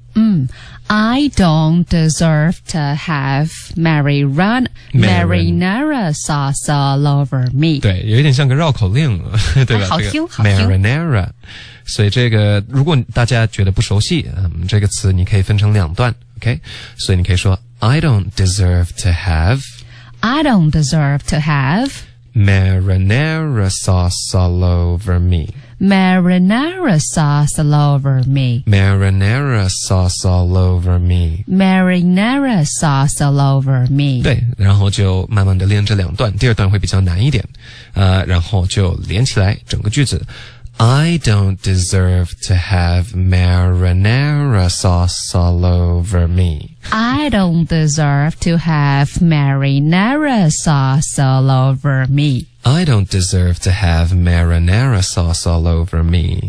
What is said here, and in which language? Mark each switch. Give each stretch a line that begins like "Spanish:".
English: 嗯I don't deserve to have marinara sauce all over me.
Chinese: 对，有一点像个绕口令，对吧？好听，好听。 Marinara， 所以这个如果大家觉得不熟悉，嗯，这个词你可以分成两段 ，OK？ 所以你可以说
English: I don't deserve to have marinara sauce all over me. Marinara sauce all over me. Marinara sauce all over me. Marinara sauce all over me.
Chinese: 对，然后就慢慢的练这两段，第二段会比较难一点。然后就连起来整个句子。
English: I don't deserve to have marinara sauce all over me. I don't deserve to have marinara sauce all over me. I don't deserve to have marinara sauce all over me.